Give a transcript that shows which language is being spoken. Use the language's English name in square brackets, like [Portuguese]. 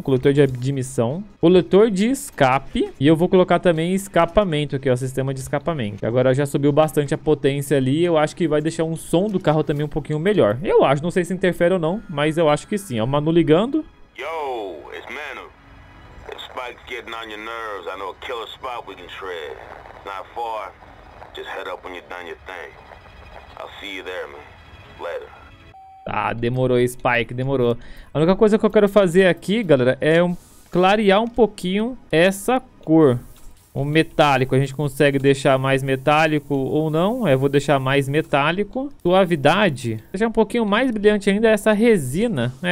[Portuguese] Coletor de admissão. Coletor de escape. E eu vou colocar também escapamento aqui, ó, sistema de escapamento. Agora já subiu bastante a potência ali. Eu acho que vai deixar um som do carro também um pouquinho melhor. Eu acho, não sei se interfere ou não, mas eu acho que sim. Ó, o Manu ligando. [English] Yo, it's Manu. The spike's getting on your nerves. I know a killer spot we can shred. It's not far. Just head up when you're done your thing. I'll see you there, man. Later. [Portuguese] Ah, demorou, Spike, demorou. A única coisa que eu quero fazer aqui, galera, é clarear um pouquinho essa cor. O metálico, a gente consegue deixar mais metálico ou não? Eu vou deixar mais metálico. Suavidade, deixar um pouquinho mais brilhante ainda essa resina.